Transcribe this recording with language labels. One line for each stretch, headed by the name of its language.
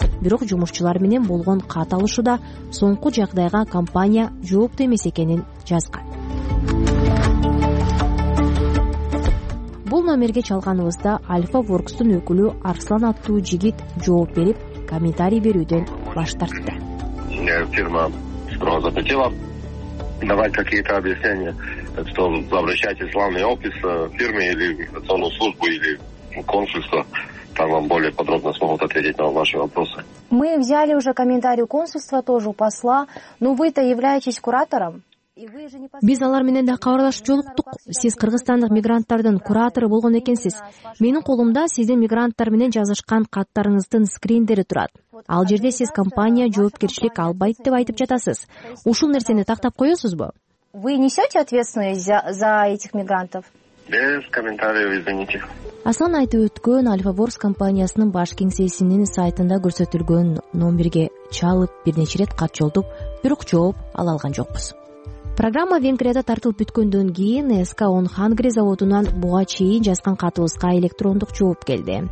Kyrgyz: Бирок жумушчулар менен болгон кат алышууда соңку жагдайга компания жоопту эмес экенин жазган. Бул номерге чалганыбызда Alpha Works'тун өкүлү Арслан аттуу жигит жооп берип, комментарий берүүдөн баш тартты.
Russian: Фирма сразу захотела давать какие-то объяснения, что обращайте главный офис фирмы или миграционную службу или консульство, там вам более подробно смогут ответить на ваши вопросы. Мы взяли уже комментарий у консульства тоже, у посла, но вы-то являетесь куратором.
Kyrgyz: Биз алар менен да кабарлашып жолуктук. Сиз кыргызстандык мигранттардын куратору болгон экенсиз. Менин колумда сиздин мигранттар менен жазышкан каттарыңыздын скриндери турат. Ал жерде сиз компания жоопкерчилик албайт деп айтып жатасыз. Ушул нерсени тактап коесузбу?
Russian: Вы несете ответственность за этих мигрантов? Без комментариев, извините.
Kyrgyz: Аслан айтып өткөн Alpha Works компаниясынын баш кеңсесинин сайтында көрсөтүлгөн номерге чалып бир нече ирет кат жолдоп, бирок жооп ала алган жокпуз. Программа Венгрияда тартылып бүткөндөн кийин СК Он Хангри заводунан буга чейин жазган катыбызга электрондук жооп келди.